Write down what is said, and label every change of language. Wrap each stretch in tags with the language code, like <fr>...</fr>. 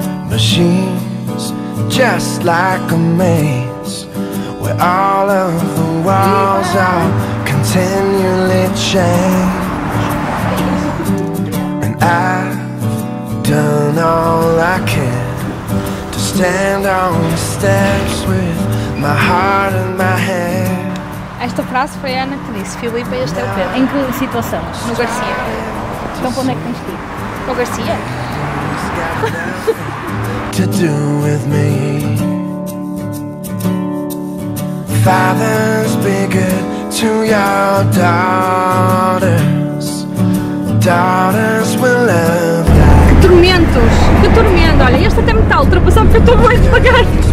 <en>Machines just like a maze, where all of the walls are continually changed. And I've done all I can to stand on the steps with my heart in my hand.</en> <pt>Esta frase foi a Ana que disse, Filipe, este é o Pedro. Em que situação? No Garcia. Então, para onde é que tens de ir? No Garcia.</pt> <en>To do with me. Fathers be good to your daughters. Daughters will love</en> <pt>you. Que tormentos! Que tormento! Olha, este até me está a ultrapassar porque eu estou mais devagar.</pt>